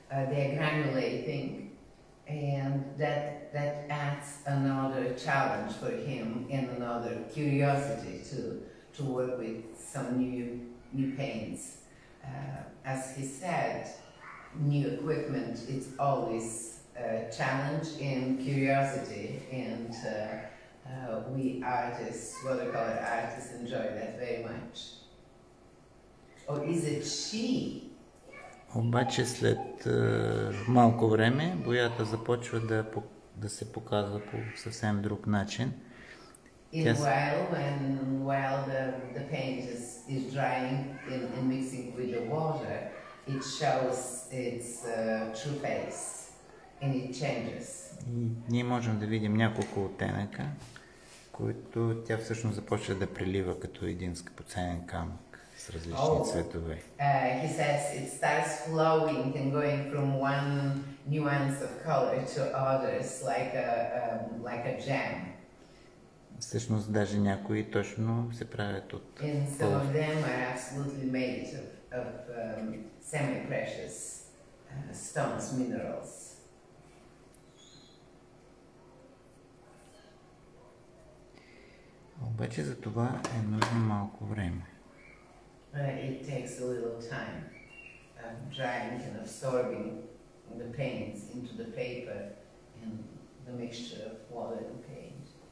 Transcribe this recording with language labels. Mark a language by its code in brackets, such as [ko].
[en] They are granulating, and that adds another challenge for him and another curiosity to work with some new paints. As he said, new equipment is always a challenge and curiosity, and we artists, watercolor artists, enjoy that very much. Or is it she? [bg] Обаче след малко време боята започва да се показва по съвсем друг начин. [en] While the paint is drying and mixing with the water, it shows its true face and it changes. [bg] Ние можем да видим няколко оттенъка, които тя всъщност започва да прилива като един скъпоценен камък с различни цветове. [en] He says it starts flowing and going from one nuance of color to others like a gem. [bg] Всъщност даже някои точно се правят от плов. [en] And some of them are absolutely made of semi-precious stones, minerals. [bg] Обаче за това е нужно малко време. [en] It takes a little time of drying and absorbing the paints into the paper and the mixture of water and paint.